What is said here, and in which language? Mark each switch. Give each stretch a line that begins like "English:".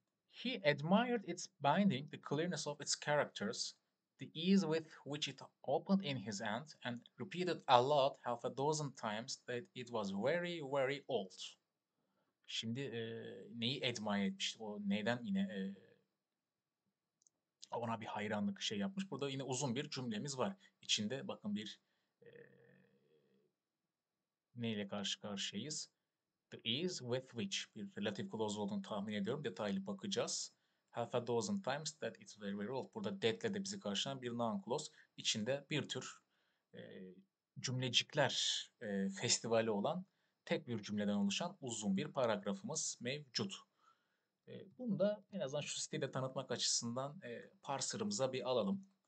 English: He admired its binding, the clearness of its characters, the ease with which it opened in his hand and repeated aloud half a dozen times that it was very, very old.
Turkish: Şimdi neyi admire etmiş? O neyden yine ona bir hayranlık şey yapmış. Burada yine uzun bir cümlemiz var. İçinde bakın bir neyle karşı karşıyayız?
English: The ease with which
Turkish: bir relative clause olduğunu tahmin ediyorum. Detaylı bakacağız.
English: Half a dozen times that it's very very old.
Turkish: Burada that'le de bizi karşılayan bir noun clause. İçinde bir tür cümlecikler festivali olan tek bir cümleden oluşan uzun bir paragrafımız mevcut. Bunu da en azından şu siteyi de tanıtmak açısından parserımıza bir alalım.